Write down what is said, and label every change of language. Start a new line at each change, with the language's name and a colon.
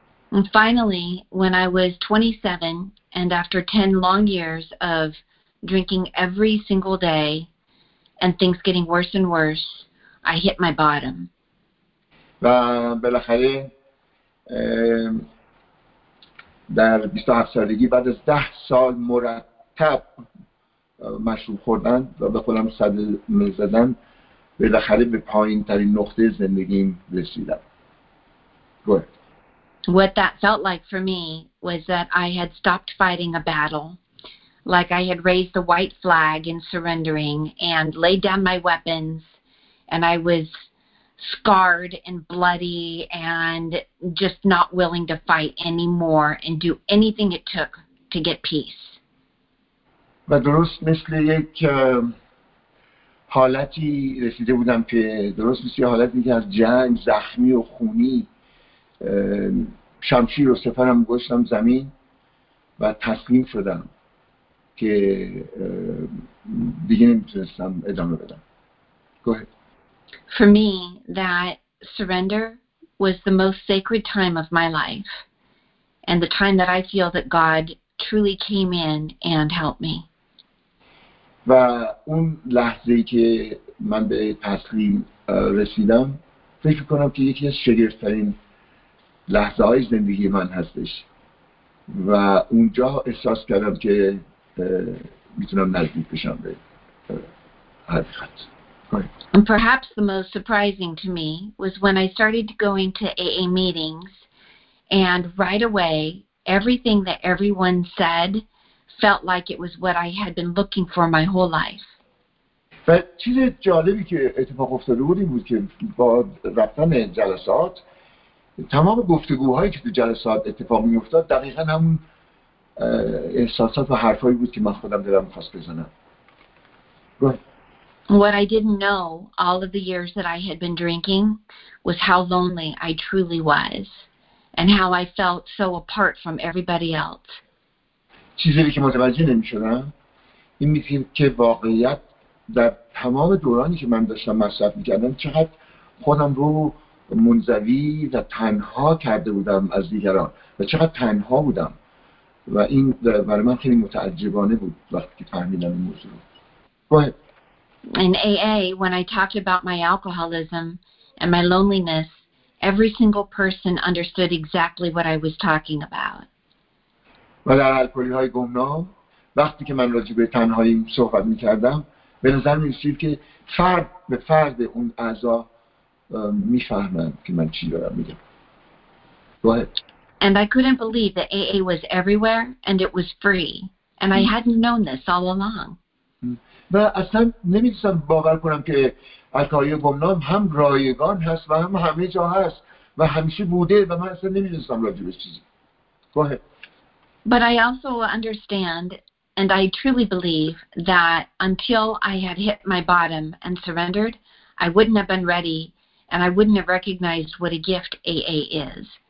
English: And finally, when I was 27 and after 10 long years of drinking every single day and things getting worse and worse, I hit my bottom.
Persian: و بالاخره در 27 سالگی بعد از 10 سال مرتب مشروب خوردن و به خودم صدمه زدن، بالاخره به پایین ترین نقطه زندگیم رسیدم. گفت
English: What that felt like for me was that I had stopped fighting a battle, like I had raised the white flag in surrendering and laid down my weapons, and I was scarred and bloody and just not willing to fight anymore and do anything it took to get peace.
Persian: و درست مثل یک حالتی رسیده بودم که درست مثل یک حالتی که از جنگ زخمی و خونی شمشیر و سپرم گذاشتم زمین و تسلیم شدم که دیگه نمیتونستم ادامه بدم.
English: Go ahead. For me, that surrender was the most sacred time of my life and the time that I feel that God truly came in and helped me.
Persian: و اون لحظه‌ای که من به تسلیم رسیدم فکر کنم که یکی از شگفت‌ترین لحظه های زندگی من هستش و اونجا احساس کردم که میتونم نزدیک بشم به حقیقت.
English: And perhaps the most surprising to me was when I started going to AA meetings and right away everything that everyone said felt like it was what I had been looking for my whole life.
Persian: و چیز جالبی که اتفاق افتاده بود این بود که با رفتن جلسات، تمام گفتگوهایی که تو جلسات اتفاق می افتاد دقیقا همون احساسات و حرفایی بود که من خودم دلم خواست بزنم.
English: What I didn't know all of the years that I had been drinking was how lonely I truly was and how I felt so apart from everybody else.
Persian: چیزی که متوجه نمی شدم این می تیم که واقعیت در تمام دورانی که من داشتم مصرف می کردم چقدر خودم رو منزوی و تنها کرده بودم از دیگران و چقدر تنها بودم و این برای من خیلی متعجبانه بود وقتی که فهمیدم این موضوع رو.
English: In AA, when I talked about my alcoholism and my loneliness, every single person understood exactly what I was talking about.
Persian: و در الکلی‌های گمنام وقتی که من راجع به تنهایی صحبت می‌کردم به نظر می‌رسید که فرد به فرد اون اعضا میفهمند که من چی دارم میگم.
English: Go ahead. And I couldn't believe that AA was everywhere and it was free. And I hadn't known this all along.
Persian: و اصلا نمیتونم باور کنم که عطای گمنام هم رایگان هست و هم همه جا هست و همیشه بوده و من اصلا نمیدونستم راجع به چیزی.
English: Go ahead. But I also understand and I truly believe that until I had hit my bottom and surrendered, I wouldn't have been ready and I wouldn't have recognized what a gift AA is.